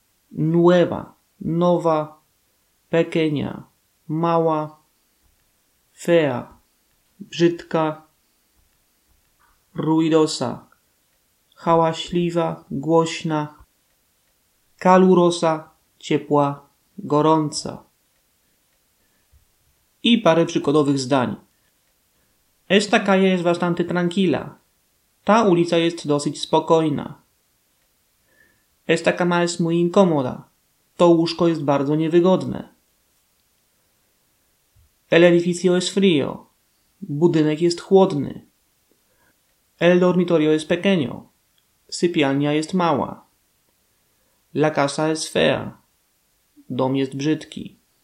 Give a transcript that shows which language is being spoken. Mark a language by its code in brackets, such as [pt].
[es] Nueva. [pl] Nowa. [es] Pequeña. [pl] Mała. [es] Fea. [pl] Brzydka. [es] Ruidosa. [pl] Hałaśliwa, głośna. [es] Calurosa. [pl] Ciepła, gorąca. I parę przykładowych zdań. [es] Esta calle es bastante tranquila. [pl] Ta ulica jest dosyć spokojna. [es] Esta cama es muy incómoda. [pl] To łóżko jest bardzo niewygodne. [es] El edificio es frío. [pl] Budynek jest chłodny. [es] El dormitorio es pequeño. [pl] Sypialnia jest mała. [es] La casa es fea. [pl] Dom jest brzydki.